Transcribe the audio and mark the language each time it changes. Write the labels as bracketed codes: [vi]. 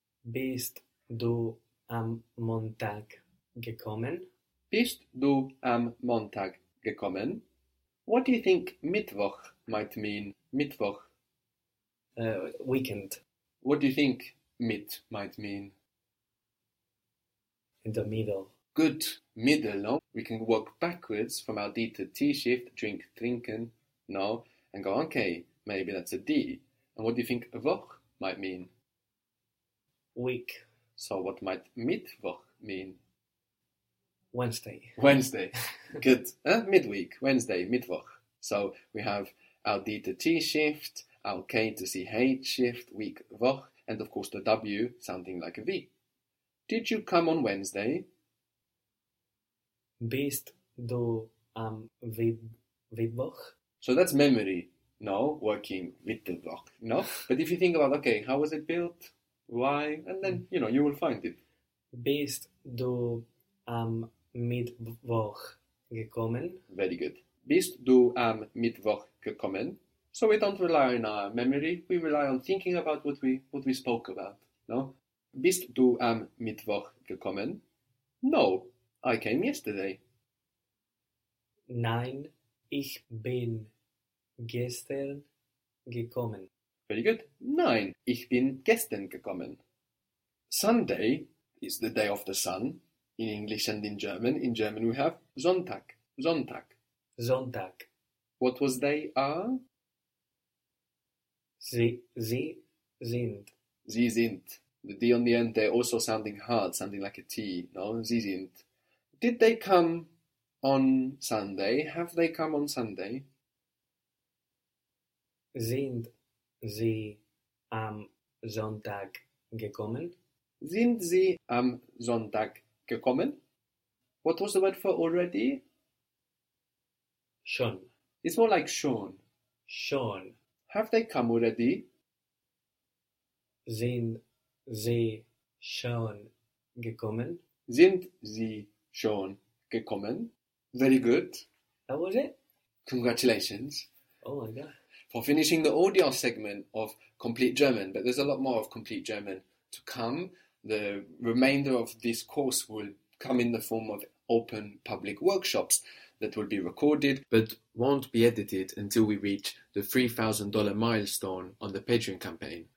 [de] Bist du am Montag gekommen? Bist du am Montag gekommen? [en] What do you think Mittwoch might mean? [de] Mittwoch. [en] Weekend. What do you think Mitt might mean? In the middle. Good. Middle, we can work backwards from our D to T shift, drink, trinken, no, and go, okay, maybe that's a D. And what do you think Woch might mean? Week. So what might Mittwoch mean? Wednesday. Wednesday. Good. Midweek, Wednesday, Mittwoch. So we have our D to T shift, our K to CH shift, week, Woch, and of course the W sounding like a V. Did you come on Wednesday? [de] Bist du am Mittwoch? [en] So that's memory, no? Working with the block, no? But if you think about, okay, how was it built? Why? And then, you know, you will find it. [de] Bist du am Mittwoch gekommen? [en] Very good. [de] Bist du am Mittwoch gekommen? [en] So we don't rely on our memory. We rely on thinking about what we spoke about, no? [de] Bist du am Mittwoch gekommen? [en] No. I came yesterday. [de] Nein, ich bin gestern gekommen. [en] Very good. [de] Nein, ich bin gestern gekommen. [en] Sunday is the day of the sun in English and in German. In German we have Sonntag. [de] Sonntag. Sonntag. [en] What was they are? [de] Sie sind. Sie sind. [en] The D on the end, they're also sounding hard, sounding like a T. No, [de] sie sind. [en] Did they come on Sunday? Have they come on Sunday? [de] Sind sie am Sonntag gekommen? Sind sie am Sonntag gekommen? [en] What was the word for already? [de] Schon. [en] It's more like schon. [de] Schon. [en] Have they come already? [de] Sind sie schon gekommen? Sind sie schon gekommen. [en] Very good. That was it. Congratulations. Oh my God. For finishing the audio segment of Complete German, but there's a lot more of Complete German to come. The remainder of this course will come in the form of open public workshops that will be recorded, but won't be edited until we reach the $3,000 milestone on the Patreon campaign.